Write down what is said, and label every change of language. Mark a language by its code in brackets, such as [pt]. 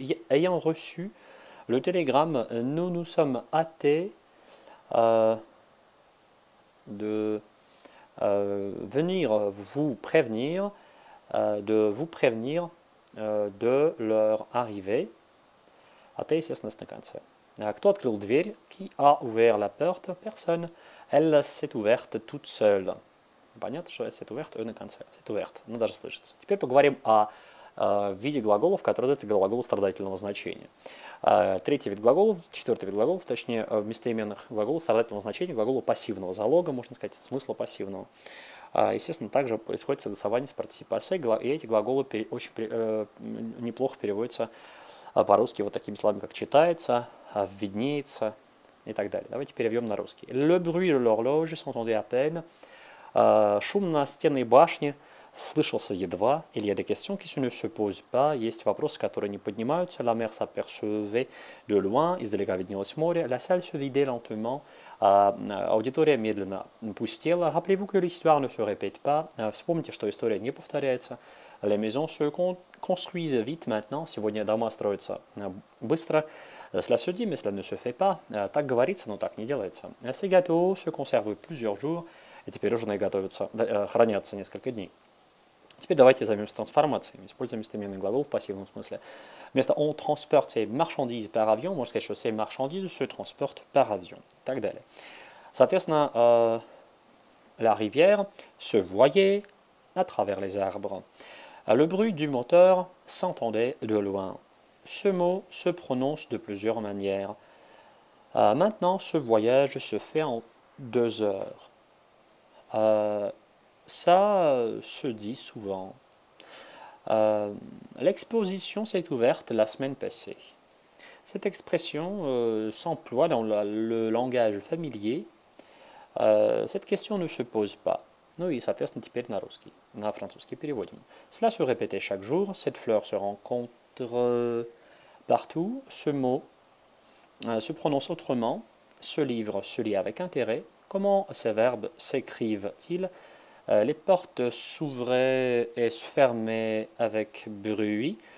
[fr] Ayant reçu le télégramme, nous nous sommes hâtés de venir vous prévenir, de leur arrivée. Hâtés, c'est ce n'est qu'un seul. [ru] Кто открыл дверь? [fr] Qui a ouvert la porte? Personne. Elle s'est ouverte toute seule. [ru] Понятно, что [fr] elle s'est ouverte, [ru] eux, на конце. [fr] S'est ouverte. [ru] Ну, даже слышится. Теперь поговорим о виде глаголов, которые даются глаголу страдательного значения. Третий вид глаголов, четвертый вид глаголов, точнее, местоименных глаголов страдательного значения, глаголу пассивного залога, можно сказать, смысла пассивного. Естественно, также происходит согласование с participe, и эти глаголы очень неплохо переводятся по-русски вот такими словами, как читается, виднеется и так далее. Давайте переведем на русский. [fr] Le bruit de l'horloge s'entendait à peine. [ru] Шум на стены башни слышался едва. [fr] Il y a des questions qui ne se posent pas. [ru] Есть вопросы, которые не поднимаются. [fr] La mer s'apercevait de loin. [ru] Издалека виднелось море. [fr] La salle se vidait lentement. [ru] Аудитория медленно пустела. [fr] Rappelez-vous que l'histoire ne se répète pas. [ru] Вспомните, что история не повторяется. [fr] Les maisons se construisent vite maintenant. [ru] Сегодня дома строятся быстро. [fr] Cela se dit, mais cela ne se fait pas. [ru] Так говорится, но так не делается. [fr] Ces gâteaux se conservent plusieurs jours. [ru] И теперь уже готовятся, хранятся несколько дней. Теперь давайте займемся трансформациями. Используем местоименный глагол в пассивном смысле. Вместо [fr] on transporte ses marchandises par avion, [ru] можно сказать, что [fr] ses marchandises se transportent par avion. [ru] И так далее. Соответственно, [fr] la rivière se voyait à travers les arbres. Le bruit du moteur s'entendait de loin. Ce mot se prononce de plusieurs manières. Maintenant, ce voyage se fait en 2 heures. Ça se dit souvent. L'exposition s'est ouverte la semaine passée. Cette expression s'emploie dans le langage familier. Cette question ne se pose pas. [ru] Ну и, соответственно, теперь на русский, на французский переводим. [fr] Cela se répétait chaque jour. Cette fleur se rencontre partout. Ce mot se prononce autrement. Ce livre se lit avec intérêt. Comment ces verbes s'écrivent-ils? Les portes s'ouvraient et se fermaient avec bruit.